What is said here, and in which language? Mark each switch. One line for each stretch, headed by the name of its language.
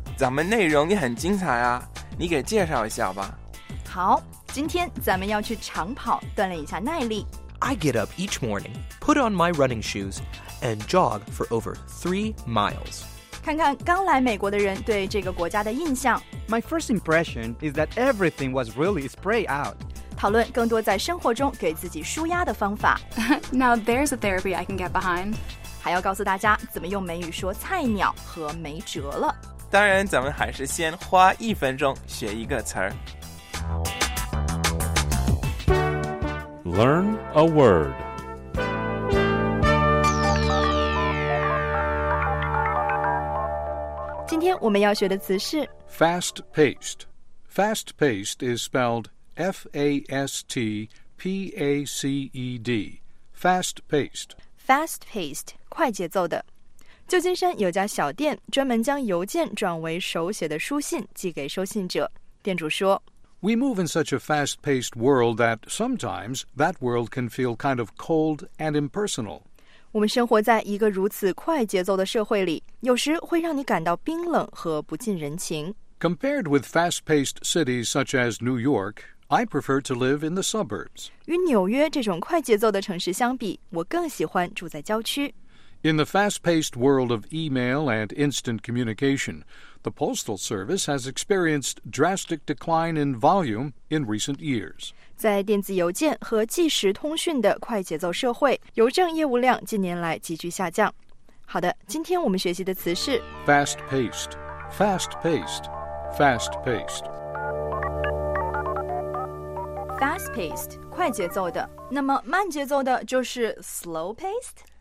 Chinese: 咱们内容也很精彩啊，你给介绍一下吧。好，今天咱们要去长跑，锻炼一下耐力。
English: I get up each morning, put on my running shoes, and jog for over 3 miles.
Chinese: 看看刚来美国的人对这个国家的印象。
English: My first impression is that everything was really spread out.
Chinese: 讨论更多在生活中给自己舒压的方法。
English: Now there's a therapy I can get behind.
Chinese: 还要告诉大家怎么用美语说菜鸟和没辙了。当然，咱们还是先花一分钟学一个词儿。
English: Learn a word. Today we're going to learn the word fast-paced. Fast-paced is spelled. F-A-S-T-P-A-C-E-D, fast-paced.
Chinese: Fast-paced, 快节奏的。旧金山有家小店专门将邮件转为手写的书信寄给收信者。店主说，
English: We move in such a fast-paced world that sometimes that world can feel kind of cold and impersonal.
Chinese: 我们生活在一个如此快节奏的社会里，有时会让你感到冰冷和不近人情。
English: Compared with fast-paced cities such as New York, I prefer to live in the suburbs.
Chinese: 与纽约这种快节奏的城市相比，我更喜欢住在郊区。
English: In the fast-paced world of email and instant communication, the postal service has experienced drastic decline in volume in recent years.
Chinese: 在电子邮件和即时通讯的快节奏社会，邮政业务量近年来急剧下降。好的，今天我们学习的词是
English: fast-paced. Fast-paced, fast-paced.
Chinese: Fast-paced, 快节奏的。那么慢节奏的就是 slow-paced?